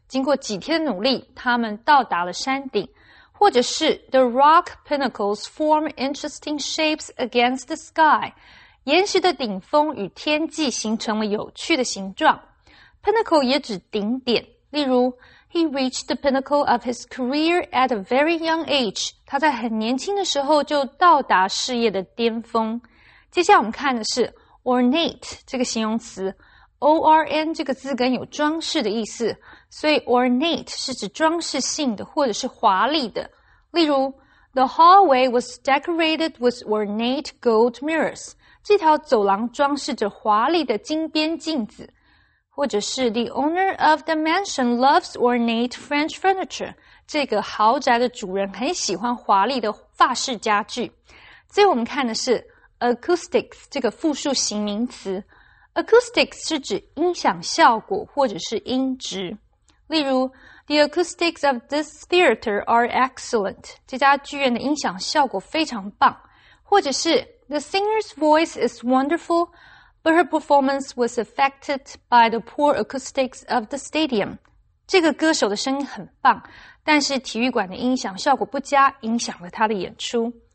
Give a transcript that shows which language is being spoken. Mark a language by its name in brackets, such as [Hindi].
[Chinese] 经过几天的努力，他们到达了山顶。或者是 [English] The rock pinnacles form interesting shapes against the sky. [Chinese] 岩石的顶峰与天际形成了有趣的形状。 [English] Pinnacle [Chinese] 也指顶点，例如 [English] He reached the pinnacle of his career at a very young age. [Chinese] 他在很年轻的时候就到达事业的巅峰。接下来我们看的是 ornate 这个形容词。 O-R-N 这个字根有装饰的意思，所以 ornate 是指装饰性的或者是华丽的。例如 [English] The hallway was decorated with ornate gold mirrors. [Chinese] 这条走廊装饰着华丽的金边镜子。或者是 [English] The owner of the mansion loves ornate French furniture. [Chinese] 这个豪宅的主人很喜欢华丽的法式家具。最后我们看的是 acoustics 这个复数形名词。 Acoustics 是指音响效果或者是音质。例如 [English] The acoustics of this theater are excellent. [Chinese] 这家剧院的音响效果非常棒。或者是 [English] The singer's voice is wonderful, but her performance was affected by the poor acoustics of the stadium. [Chinese] 这个歌手的声音很棒，但是体育馆的音响效果不佳，影响了他的演出。